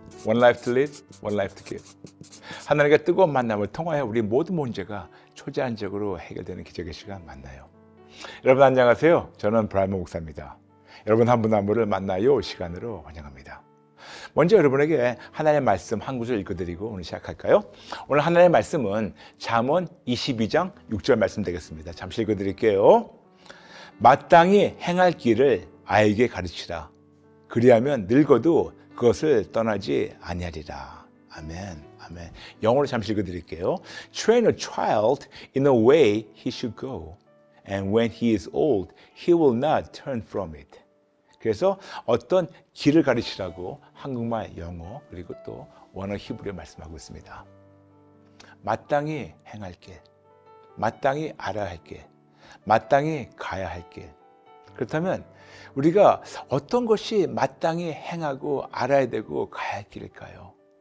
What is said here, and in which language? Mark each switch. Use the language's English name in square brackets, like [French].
[English] One life to live, one life to give. [Korean] 하나님과 뜨거운 만남을 통하여 우리 모든 문제가 초자연적으로 해결되는 기적의 시간 만나요. 여러분 안녕하세요. 저는 브라이먼 목사입니다. 여러분 한 분 한 분을 만나요 시간으로 환영합니다. 먼저 여러분에게 하나님의 말씀 한 구절 읽어드리고 오늘 시작할까요? 오늘 하나님의 말씀은 잠언 22장 6절 말씀 되겠습니다. 잠시 읽어드릴게요. 마땅히 행할 길을 아이에게 가르치라. 그리하면 늙어도 그것을 떠나지 아니하리라. 아멘. 아멘. 영어로 잠시 읽어드릴게요. [English] Train a child in the way he should go. And when he is old, he will not turn from it. [Korean] 그래서 어떤 길을 가르치라고 한국말, 영어, 그리고 또 원어 히브리어 말씀하고 있습니다. 마땅히 행할 길, 마땅히 알아야 할 길, 마땅히 가야 할 길. 그렇다면 우리가 어떤 것이 마땅히 행하고 알아야 되고 가야 할 길일까요?